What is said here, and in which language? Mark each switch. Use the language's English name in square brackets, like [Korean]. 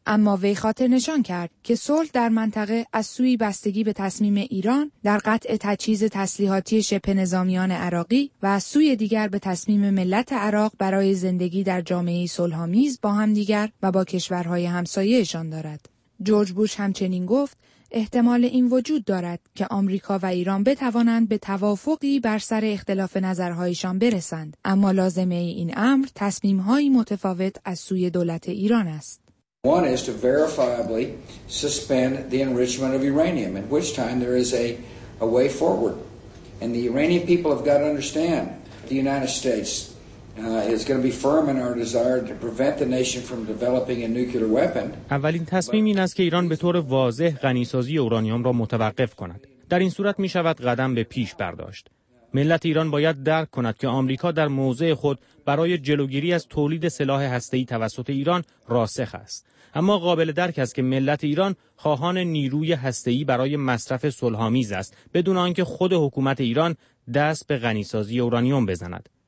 [Persian] اما وی خاطر نشان کرد که صلح در منطقه از سوی بستگی به تصمیم ایران در قطع تجهیز تسلیحاتی شبه نظامیان عراقی و از سوی دیگر به تصمیم ملت عراق برای زندگی در جامعه صلح‌آمیز با هم دیگر و با کشورهای همسایه‌شان دارد. جورج بوش همچنین گفت احتمال این وجود دارد که آمریکا و ایران بتوانند به توافقی بر سر اختلاف نظرهایشان برسند، اما لازمه این امر تصمیم‌های متفاوت از سوی دولت ایران است. [English] One is to verifiably suspend the enrichment of uranium, at which time there is a way forward. And the Iranian people have got to understand the United States is going to be firm in our desire to prevent the nation from developing a nuclear weapon. [Persian] اولین تصمیم این است که ایران به طور واضح غنی‌سازی اورانیوم را متوقف کند. در این صورت می‌شود قدم به پیش برداشت. ملت ایران باید درک کند که آمریکا در موضع خود برای جلوگیری از تولید سلاح هسته‌ای توسط ایران راسخ است. اما قابل درک است که ملت ایران خواهان نیروی هسته‌ای برای مصرف صلح‌آمیز است، بدون آنکه خود حکومت ایران دست به غنی‌سازی اورانیوم بزند.